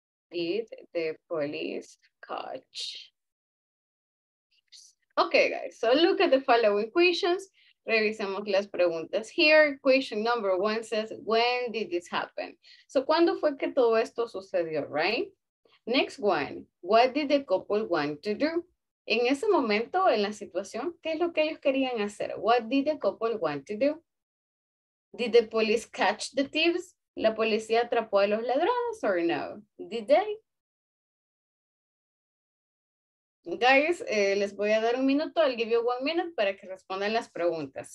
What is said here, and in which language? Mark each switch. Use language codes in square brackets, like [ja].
[en] Did the police catch? Okay, guys. So look at the following questions. [es] Revisemos las preguntas. [en] Here, question number one says, when did this happen? [es] So, ¿cuándo fue que todo esto sucedió, right? [en] Next one, what did the couple want to do? [es] En ese momento, en la situación, ¿qué es lo que ellos querían hacer? [en] What did the couple want to do? Did the police catch the thieves? [es] ¿La policía atrapó a los ladrones or no? [en] Did they? [es] Guys, les voy a dar un minuto. [en] I'll give you 1 minute [es] para que respondan las preguntas.